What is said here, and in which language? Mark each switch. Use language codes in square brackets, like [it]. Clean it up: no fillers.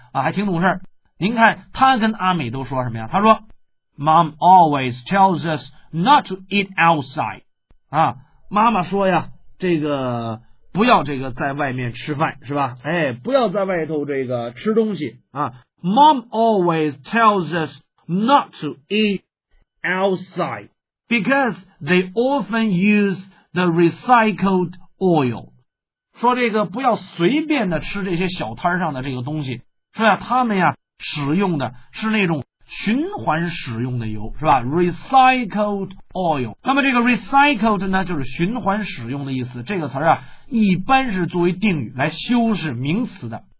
[zh] 啊，还挺懂事。您看他跟阿美都说什么呀？他说 ， [en] Mom always tells us not to eat outside。 [zh] 啊，妈妈说呀，这个不要这个在外面吃饭是吧？哎，不要在外头这个吃东西啊。 [en] Mom always tells us not to eat outside because they often use the recycled oil。 [zh] 说这个不要随便的吃这些小摊上的这个东西，是吧？他们呀使用的是那种循环使用的油，是吧 ？recycled oil。那么这个 recycled 呢，就是循环使用的意思。这个词啊，一般是作为定语来修饰名词的。